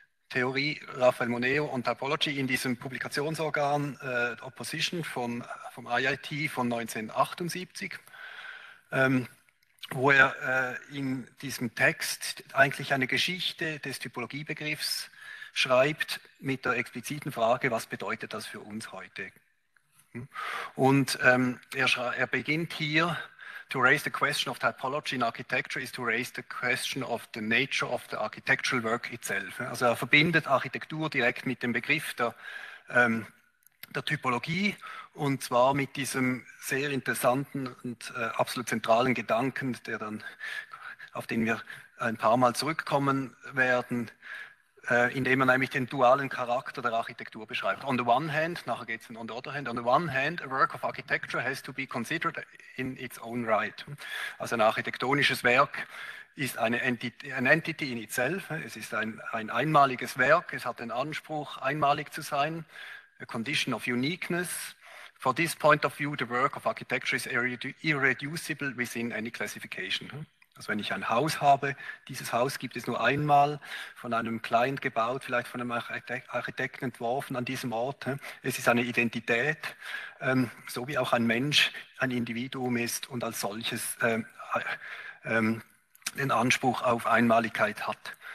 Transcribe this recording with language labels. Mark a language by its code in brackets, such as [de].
[de] Theorie Raphael Moneo und Typology in diesem Publikationsorgan Opposition vom IIT von 1978, wo er in diesem Text eigentlich eine Geschichte des Typologiebegriffs schreibt mit der expliziten Frage, was bedeutet das für uns heute? Und er beginnt hier, [en] to raise the question of typology in architecture is to raise the question of the nature of the architectural work itself. [de] Also er verbindet Architektur direkt mit dem Begriff der Typologie, und zwar mit diesem sehr interessanten und absolut zentralen Gedanken, der dann, auf den wir ein paar Mal zurückkommen werden, indem er nämlich den dualen Charakter der Architektur beschreibt. [en] On the one hand, [de] nachher geht es [en] on the other hand, on the one hand, a work of architecture has to be considered in its own right. [de] Also ein architektonisches Werk ist [en] an entity in itself. [de] Es ist ein einmaliges Werk, es hat den Anspruch, einmalig zu sein, [en] a condition of uniqueness. For this point of view, the work of architecture is irreducible within any classification. [de] Also wenn ich ein Haus habe, dieses Haus gibt es nur einmal, von einem Client gebaut, vielleicht von einem Architekten entworfen an diesem Ort. Es ist eine Identität, so wie auch ein Mensch ein Individuum ist und als solches den Anspruch auf Einmaligkeit hat.